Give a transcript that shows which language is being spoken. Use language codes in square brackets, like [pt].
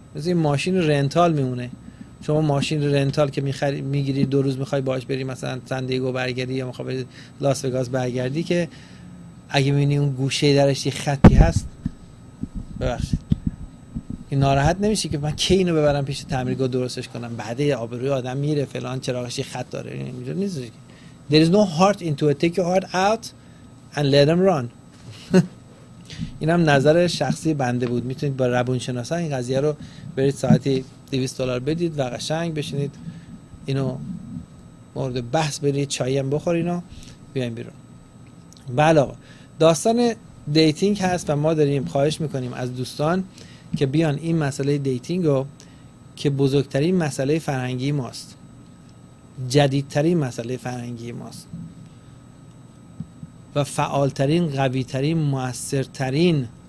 [fa] مثل این ماشین رنتال میمونه، شما ماشین رنتال که میگیری دو روز میخوای باهاش بری مثلا سن دیگو برگردی یا میخوای لاس وگاس برگردی، که اگه میبینی اون گوشه درش یه خطی هست ببخشید ناراحت نمیشی که من کی اینو ببرم پیش تعمیرگاه درستش کنم، بعد آبروی آدم میره فلان، چراغش یه خط داره، اینجوری نیست. [en] There is no heart into it, take your heart out and let them run. [fa] اینم نظر شخصی بنده بود، میتونید با روانشناسا این قضیه رو برید ساعتی $200 بدید و قشنگ بشینید اینو مورد بحث برید، چای هم بخورین و بیاین بیرون. بله داستان دیتینگ هست و ما داریم خواهش میکنیم از دوستان که بیان این مسئله دیتینگ رو که بزرگترین مسئله فرهنگی ماست، جدیدترین مسئله فرهنگی ماست و فعالترین، قویترین، مؤثرترین